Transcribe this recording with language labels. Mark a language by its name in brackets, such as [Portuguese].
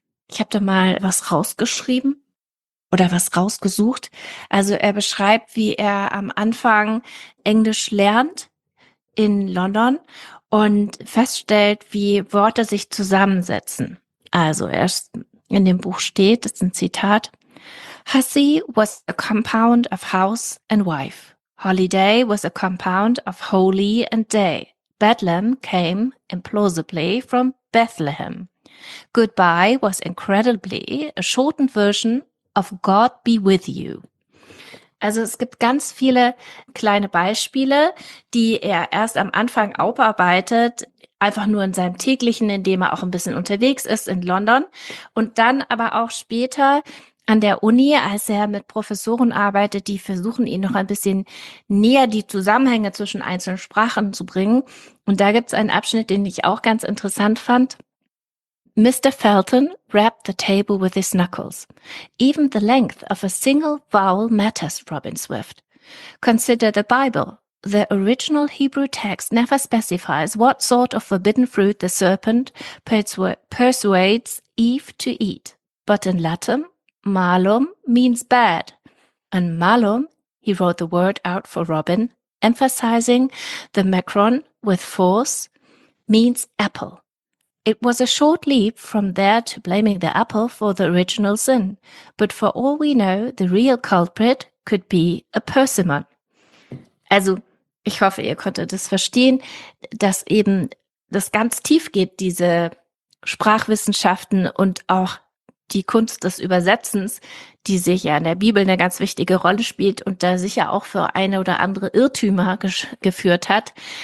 [German] Ich habe da mal was rausgeschrieben. Oder was rausgesucht. Also er beschreibt, wie er am Anfang Englisch lernt in London und feststellt, wie Worte sich zusammensetzen. Also erst in dem Buch steht, das ist ein Zitat. [English] Hussy was a compound of house and wife. Holiday was a compound of holy and day. Bedlam came implausibly from Bethlehem. Goodbye was incredibly a shortened version of God be with you. [German] Also es gibt ganz viele kleine Beispiele, die er erst am Anfang aufarbeitet, einfach nur in seinem täglichen, indem er auch ein bisschen unterwegs ist in London und dann aber auch später an der Uni, als er mit Professoren arbeitet, die versuchen, ihn noch ein bisschen näher die Zusammenhänge zwischen einzelnen Sprachen zu bringen. Und da gibt es einen Abschnitt, den ich auch ganz interessant fand. [English] Mr. Felton rapped the table with his knuckles. Even the length of a single vowel matters, Robin Swift. Consider the Bible. The original Hebrew text never specifies what sort of forbidden fruit the serpent persuades Eve to eat. But in Latin, malum means bad. And malum, he wrote the word out for Robin, emphasizing the macron with force, means apple. It was a short leap from there to blaming the apple for the original sin. But for all we know, the real culprit could be a persimmon. [German] Also, ich hoffe, ihr konntet das verstehen, dass eben das ganz tief geht, diese Sprachwissenschaften und auch die Kunst des Übersetzens, die sich ja in der Bibel eine ganz wichtige Rolle spielt und da sicher auch für eine oder andere Irrtümer geführt hat.